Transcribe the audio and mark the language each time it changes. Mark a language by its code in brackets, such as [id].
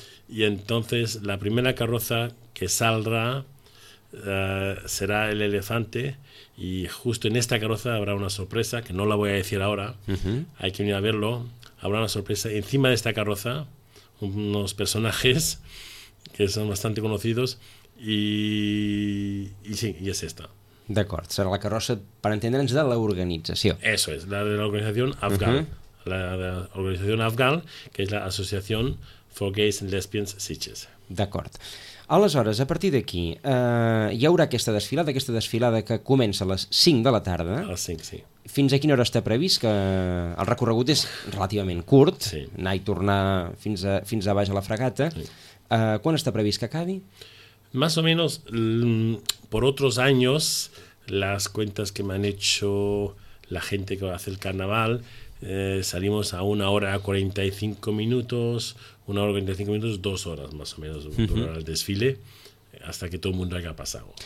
[es] Y entonces la primera carroza que saldrá será el elefante, y justo en esta carroza habrá una sorpresa, que no la voy a decir ahora, hay que venir a verlo, habrá una sorpresa encima de esta carroza, unos personajes que son bastante conocidos, y sí, y es esta. [ca] D'acord, serà la carroça, per entendre'ns, de l'organització. [es] Eso es, [ca] la de l'organització Afgan, la organització afgan, que és l'associació For Gays and Lesbians Sitges. D'acord. Aleshores, a partir d'aquí, hi haurà aquesta desfilada que comença a les 5 de la tarda. A les 5, sí. Fins a quina hora està previst? Que el recorregut és relativament curt, sí. Anar i tornar fins a baix a la fragata. Sí. Quan està previst que acabi? [es] Más o menos, por otros años, las cuentas que me han hecho la gente que va a hacer el carnaval, salimos a 1:45, 1:45, 2 hores, más o menos, durant el desfile, hasta que todo el mundo haya pasado.